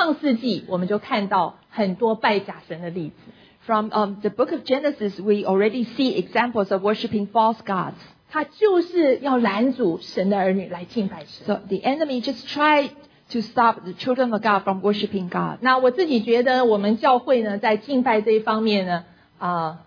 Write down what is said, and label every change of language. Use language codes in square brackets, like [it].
[zh] 从根古，从创世纪，我们就看到很多拜假神的例子。 [en] From the book of Genesis, we already see examples of worshiping false gods. [zh] 他就是要拦阻神的儿女来敬拜神。 [en] So the enemy just tried to stop the children of God from worshiping God. [zh] 那我自己觉得我们教会呢，在敬拜这一方面呢。